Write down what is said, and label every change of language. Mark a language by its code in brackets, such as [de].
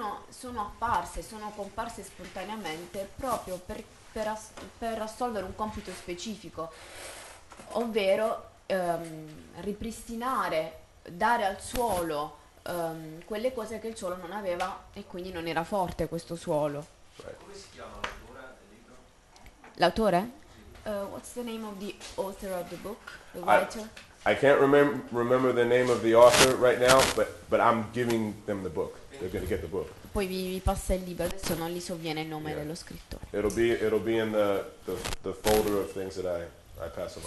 [it] Sono comparse spontaneamente proprio per assolvere un compito specifico, ovvero ripristinare, dare al suolo quelle cose che il suolo non aveva e quindi non era forte questo suolo. Come si chiama? L'autore? [en] What's the name of the author of the book? The writer? I can't remember the name of the author right now, but I'm giving them the book. They're going to get the book. [it] Poi vi passa il libro, adesso non gli sovviene il nome dello scrittore. [en] It'll be in the folder of things that I pass along.